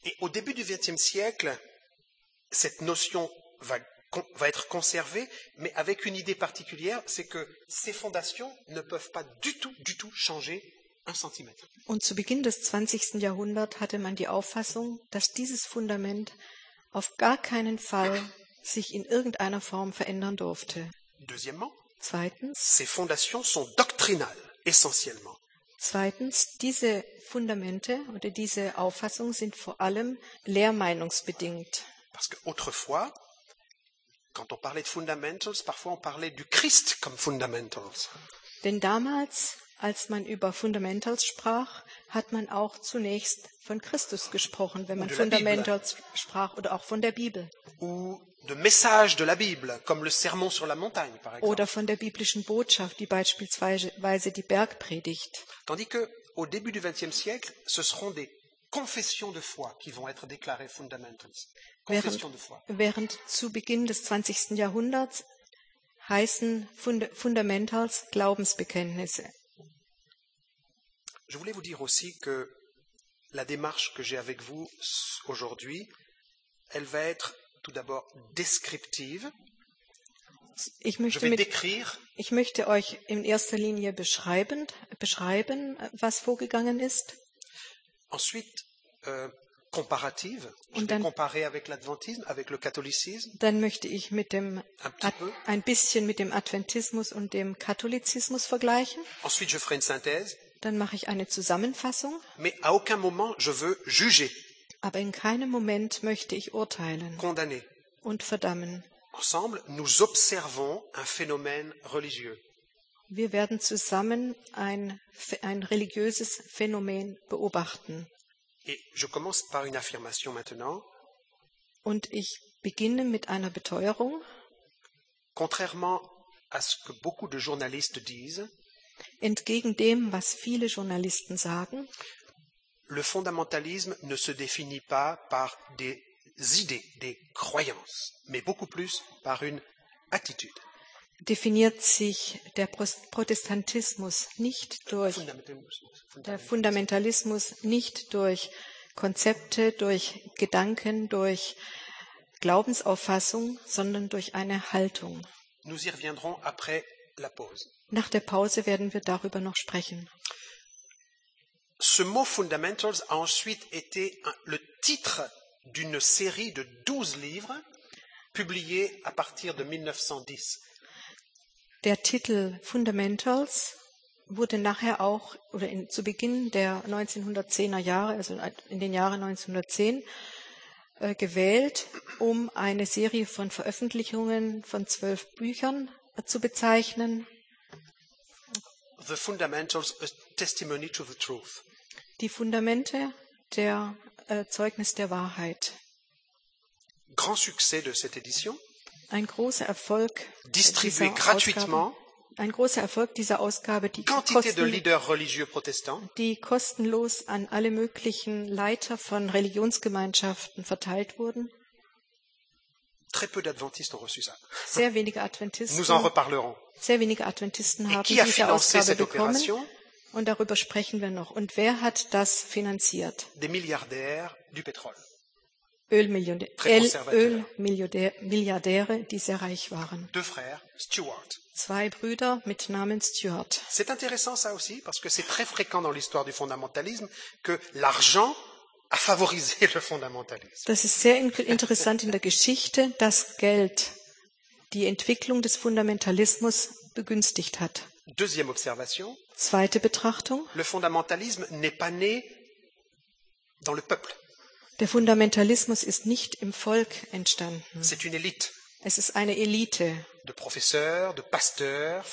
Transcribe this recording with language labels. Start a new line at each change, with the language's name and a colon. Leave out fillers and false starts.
French: Et au début du 20e siècle, cette notion va être conservée, mais avec une idée particulière, c'est que ces fondations ne peuvent pas du tout changer.
German: Und zu Beginn des 20. Jahrhunderts hatte man die Auffassung, dass dieses Fundament auf gar keinen Fall sich in irgendeiner Form verändern durfte.
French: Deuxièmement,
German: zweitens,
French: ces fondations sont doctrinales, essentiellement.
German: Zweitens, diese Fundamente oder diese Auffassung sind vor allem lehrmeinungsbedingt.
French: Parce que autrefois, quand on parlait de fundamentals, parfois on parlait du Christ comme fundamentals.
German: Denn damals, als man über Fundamentals sprach, hat man auch zunächst von Christus gesprochen, wenn man Fundamentals sprach, oder auch von der Bibel.
French: Ou de message de la Bible, comme le sermon sur la montagne, par exemple.
German: Oder von der biblischen Botschaft, wie beispielsweise die Bergpredigt.
French: Tandis que, au début du 20e siècle, ce seront des confessions de foi qui vont être déclarées fundamentals.
German: Während zu Beginn des 20. Jahrhunderts heißen Fundamentals Glaubensbekenntnisse.
French: Je voulais vous dire aussi que la démarche que j'ai avec vous aujourd'hui, elle va être tout d'abord descriptive.
German: Ich möchte euch in erster Linie beschreiben, was vorgegangen ist.
French: Ensuite, comparative. Je vais comparer avec l'adventisme, avec le catholicisme.
German: Dann möchte ich mit dem ein bisschen mit dem Adventismus und dem Katholizismus vergleichen.
French: Ensuite, je ferai une synthèse.
German: Dann mache ich eine Zusammenfassung.
French: Mais à aucun moment je veux juger.
German: Aber in keinem Moment möchte ich urteilen.
French: Condamner.
German: Und verdammen.
French: Ensemble, nous observons un phénomène religieux.
German: Wir werden zusammen ein religiöses Phänomen beobachten.
French: Et je commence par une affirmation maintenant.
German: Und ich beginne mit einer Beteuerung.
French: Contrairement à ce que beaucoup de journalistes disent,
German: entgegen dem, was viele Journalisten sagen,
French: le fondamentalisme ne se définit pas par des idées, des croyances, mais beaucoup plus par une attitude.
German: Definiert sich der Protestantismus nicht durch Fundamentalismus nicht durch Konzepte, durch Gedanken, durch Glaubensauffassung, sondern durch eine Haltung.
French: Nous y reviendrons après la pause.
German: Nach der Pause werden wir darüber noch sprechen.
French: Ce mot fundamentals a ensuite été le titre d'une série de 12 livres publiés à partir de 1910.
German: Der Titel Fundamentals wurde nachher auch oder zu Beginn der 1910er Jahre, also in den Jahren 1910, gewählt, um eine Serie von Veröffentlichungen von 12 Büchern zu bezeichnen.
English: The Fundamentals, a testimony to the truth.
German: Die Fundamente, der Zeugnis der Wahrheit.
French: Grand succès de cette édition.
German: Ein großer Erfolg.
French: Distribué gratuitement.
German: Ein großer Erfolg dieser Ausgabe, die kostenlos an alle möglichen Leiter von Religionsgemeinschaften verteilt wurden.
French: Très peu d'adventistes ont reçu ça.
German: Sehr wenige Adventisten.
French: Nous en reparlerons.
German: Sehr wenige Adventisten haben diese Ausgabe bekommen. Opération? Und darüber sprechen wir noch. Und wer hat das finanziert?
French: Des milliardaires du pétrole.
German: Ölmilliardäre, die sehr reich waren.
French: Deux frères, Stuart.
German: Zwei Brüder mit Namen Stuart.
French: C'est intéressant ça aussi, parce que c'est très fréquent dans l'histoire du fondamentalisme que l'argent a favorisé le fondamentalisme.
German: Das ist sehr interessant in der Geschichte, dass Geld die Entwicklung des Fundamentalismus begünstigt hat.
French: Deuxième observation.
German: Zweite Betrachtung.
French: Le fondamentalisme n'est pas né dans le peuple.
German: Der Fundamentalismus ist nicht im Volk entstanden.
French: C'est une élite.
German: Es ist eine Elite.
French: De professeurs, de pasteurs.